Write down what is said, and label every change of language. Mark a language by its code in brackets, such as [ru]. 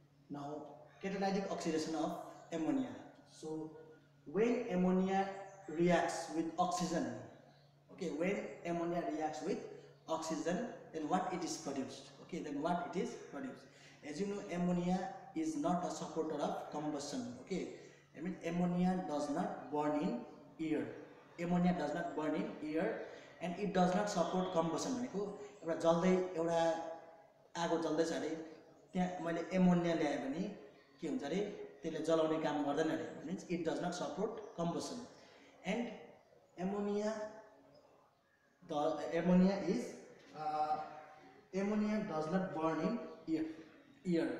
[en] Now, catalytic oxidation of ammonia. So, when ammonia reacts with oxygen, okay, when ammonia reacts with oxygen, then what it is produced? Okay, then what it is produced? As you know, ammonia is not a supporter of combustion. Okay, I mean ammonia does not burn in air. Ammonia does not burn in air, and it does not support combustion. [ne] Meaning, एउटा जल्दै एउटा आगो जल्दै छ अरे त्यहाँ मैले ammonia ल्याएँ भने के हुन्छ अरे त्यसले जलाउने काम गर्दैन अरे, [en] Means it does not support combustion. And ammonia the ammonia is ammonia does not burn in air.